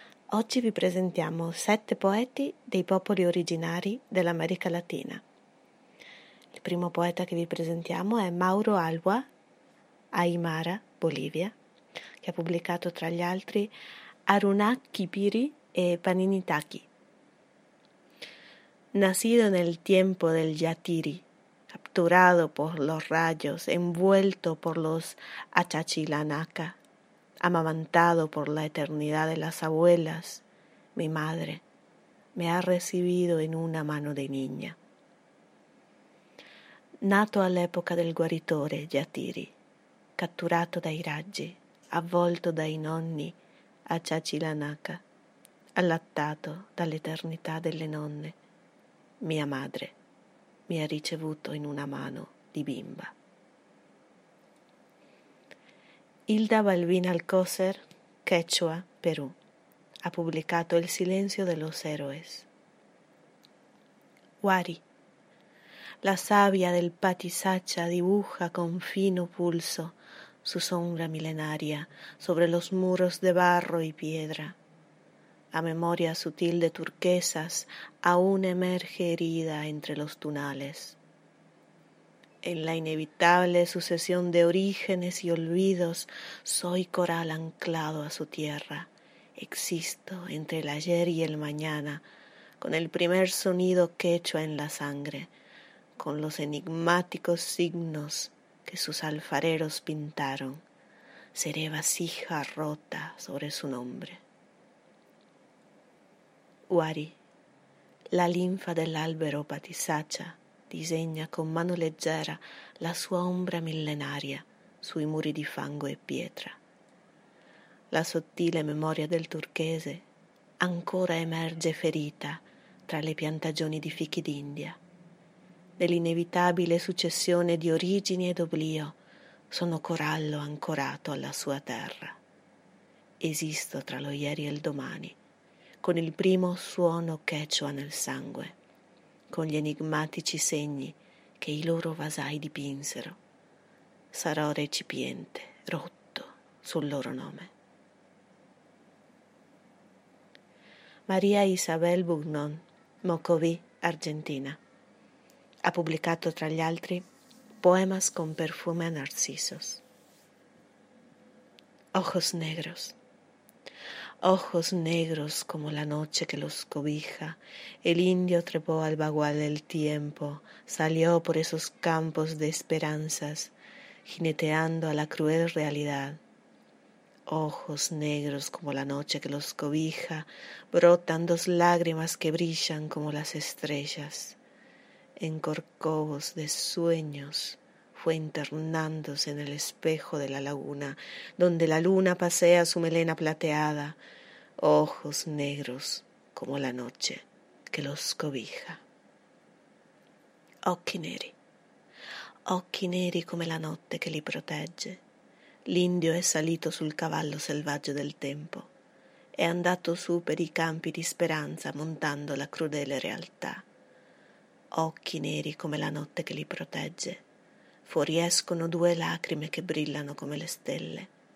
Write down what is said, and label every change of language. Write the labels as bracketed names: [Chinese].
[Italian] Oggi vi presentiamo sette poeti dei popoli originari dell'America Latina. Il primo poeta che vi presentiamo è Mauro Alua, Aymara, Bolivia, che ha pubblicato tra gli altri Arunakipiri e Paninitaki. [Spanish] Nacido nel tiempo del Yatiri, capturado por los rayos, envuelto por los achachilanaca, amamantado por la eternidad de las abuelas, mi madre me ha recibido en una mano de niña. [Italian] Nato all'epoca del guaritore Yatiri, catturato dai raggi, avvolto dai nonni achachilanaca, allattato dall'eternità delle nonne, mia madre mi ha ricevuto in una mano di bimba. Hilda Balbina Alcocer, Quechua, Perù, ha pubblicato Il silenzio de los héroes. [Spanish] Wari, la savia del patisacha dibuja con fino pulso su sombra milenaria sobre los muros de barro y piedra. La memoria sutil de turquesas aún emerge herida entre los tunales. En la inevitable sucesión de orígenes y olvidos, soy coral anclado a su tierra. Existo entre el ayer y el mañana, con el primer sonido quechua en la sangre, con los enigmáticos signos que sus alfareros pintaron. Seré vasija rota sobre su nombre. [Italian] Wari, la linfa dell'albero patisacha, disegna con mano leggera la sua ombra millenaria sui muri di fango e pietra. La sottile memoria del turchese ancora emerge ferita tra le piantagioni di fichi d'India. Nell'inevitabile successione di origini ed oblio, sono corallo ancorato alla sua terra. Esisto tra lo ieri e il domani, con il primo suono quechua nel sangue, con gli enigmatici segni che i loro vasai dipinsero. Sarò recipiente, rotto, sul loro nome. Maria Isabel Bugnon, Mocoví, Argentina, ha pubblicato tra gli altri Poemas con perfume a narcisos. [Spanish] Ojos negros. Ojos negros como la noche que los cobija, el indio trepó al bagual del tiempo, salió por esos campos de esperanzas, jineteando a la cruel realidad. Ojos negros como la noche que los cobija, brotan dos lágrimas que brillan como las estrellas. En corcovos de sueños fue internándose en el espejo de la laguna, donde la luna pasea su melena plateada. Ojos negros como la noche que los cobija. [Italian] Occhi neri come la notte che li protegge. L'indio è salito sul cavallo selvaggio del tempo. È andato su per i campi di speranza montando la crudele realtà. Occhi neri come la notte che li protegge. Fuoriescono due lacrime che brillano come le stelle.